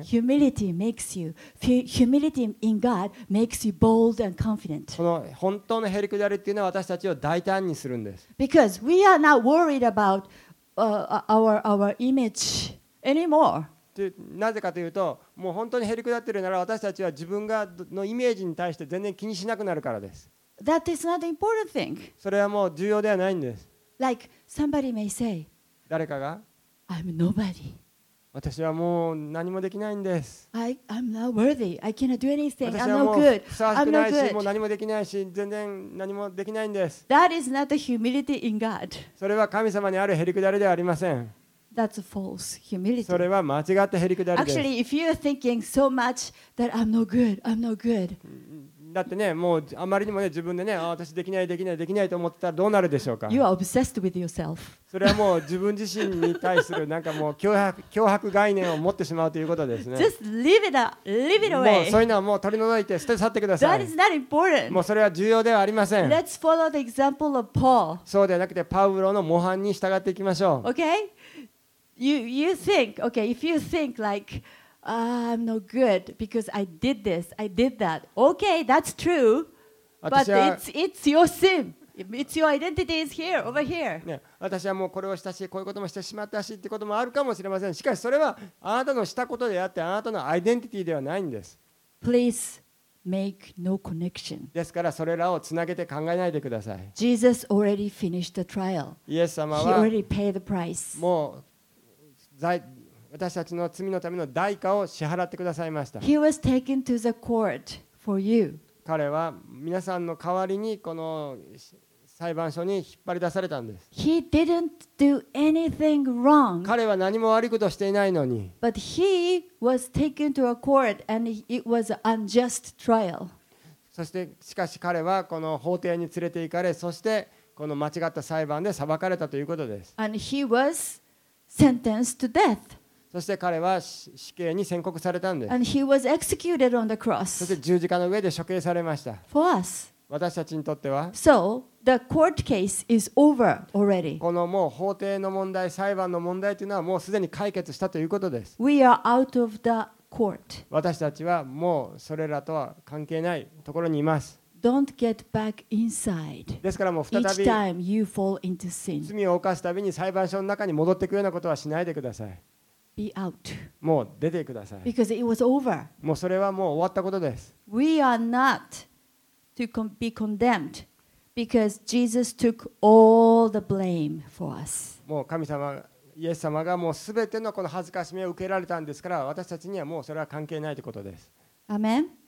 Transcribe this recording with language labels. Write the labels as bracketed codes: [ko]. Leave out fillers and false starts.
[en] Humility makes you. Humility in God makes you bold and confident. [ja] この本当のへりくだりっていうのは私たちを大胆にするんです。 [en] Because we are not worried about our image anymore. [ja] なぜかというと、もう本当にへりくだってるなら私たちは自分がのイメージに対して全然気にしなくなるからです。 [en] That is not an important thing. [ja] それはもう重要ではないんです。 [en] Like somebody may say, [ja] 誰かが、 [en] I'm nobody. [ja] 私はもう何もできないんです。 [en] I'm not worthy. I cannot do anything. I'm not good. [ja] ふさわしくないし、もう何もできないし、全然何もできないんです。 [en] That is not the humility in God. [ja] それは神様にあるへりくだりではありません。 [en] That's false humility. [ja] それは間違ったへりくだりです。 [en] Actually, if you are thinking so much that I'm no good. [ja] だってね、もうあまりにもね、自分でね、ああ私できないと思ってたらどうなるでしょうか。 [en] You are obsessed with yourself. [ja] それはもう自分自身に対するなんかもう脅迫概念を持ってしまうということですね。 [en] Just leave it away. [ja] もうそういうのはもう取り除いて捨て去ってください。 [en] That is not important. [ja] もうそれは重要ではありません。 [en] Let's follow the example of Paul. [ja] そうではなくてパウロの模範に従っていきましょう。 [en] Okay? You think, okay, if you think like,I'm no good because I did this, I did that. Okay, that's true. But it's your sin. It's your identity is here, over here. [ja] ね、私はもうこれをしたし、こういうこともしてしまったしってこともあるかもしれません。しかしそれはあなたのしたことであって、あなたのアイデンティティではないんです。 [en] Please make no connection. [ja] ですからそれらをつなげて考えないでください。 [en] Jesus already finished the trial. [ja] イエス様は、 [en] He already paid the price. [ja] もう私たちの罪のための代価を支払ってくださいました。 [en] He was taken to the court for you. [ja] 彼は皆さんの代わりにこの裁判所に引っ張り出されたんです。 [en] He didn't do anything wrong. [ja] 彼は何も悪いことをしていないのに。 [en] But he was taken to a court and it was an unjust trial. [ja] そしてしかし彼はこの法廷に連れて行かれ、そしてこの間違った裁判で裁かれたということです。 [en] And he was sentenced to death. [ja] そして彼は死刑に宣告されたんです。 [en] And he was executed on the cross. [ja] そして十字架の上で処刑されました。 [en] For us. [ja] 私たちにとっては。 [en] So the court case is over already. [ja] このもう法廷の問題、裁判の問題というのはもうすでに解決したということです。 [en] We are out of the court. [ja] 私たちはもうそれらとは関係ないところにいます。 [en] Don't get back inside. [ja] ですからもう再び [en] Each time you fall into sin. [ja] 罪を犯すたびに裁判所の中に戻っていくようなことはしないでください。 [en] Be out. [ja] もう出てください。 [en] Because it was over. [ja] もうそれはもう終わったことです。 [en] We are not to be condemned because Jesus took all the blame for us. [ja] もう神様、イエス様がもうすべてのこの恥ずかしめを受けられたんですから、私たちにはもうそれは関係ないということです。アメン。